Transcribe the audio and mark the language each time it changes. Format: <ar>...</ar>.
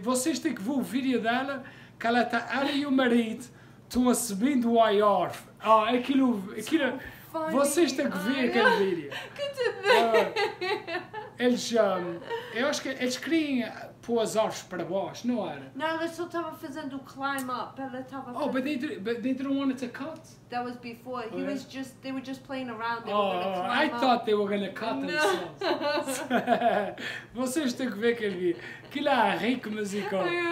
<pt>Vocês têm que ver o vídeo dela, que ela está, ela e o marido, estão a subir do IR. Ah, aquilo</pt> <en>so</en> <pt>vocês têm que ver aquele vídeo. Que te dei. Eles, eu acho que eles queriam pôr as árvores para baixo, não era? Não, ela só estava fazendo o climb up, ela estava</pt> <en>fazendo... but they didn't want it to cut? That was before, they were just playing around, I thought they were going to cut themselves.</en> <pt>Vocês têm que ver aquele vídeo, aquilo é rico musical.</pt>